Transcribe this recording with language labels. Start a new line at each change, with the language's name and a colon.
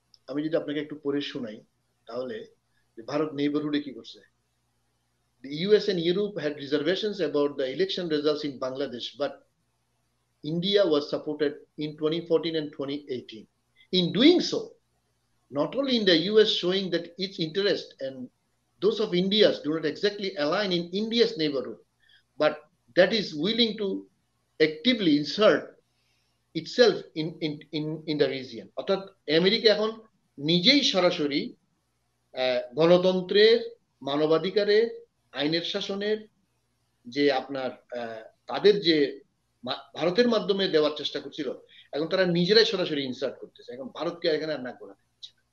English: আমি যদি আপনাকে একটু পড়ে শোনাই তাহলে, ভারত নেইবারহুডে কি করছে, the US and Europe had reservations about the election results in Bangladesh, but India was supported in 2014 and 2018. In doing so, not only in the US showing that its interest and those of India's do not exactly align in India's neighborhood, but that is willing to actively insert itself in the region.
Bangla: অর্থাৎ America এখন নিজেই সরাসরি গণতন্ত্রের, মানবাধিকারের, আইনের শাসনের যে আপনার তাদের যে ভারতের মাধ্যমে দেওয়ার চেষ্টা করছিল, এখন তারা নিজেরাই সরাসরি ইনসার্ট করতেছে, এখন ভারতকে এখানে আর না করা দিচ্ছে।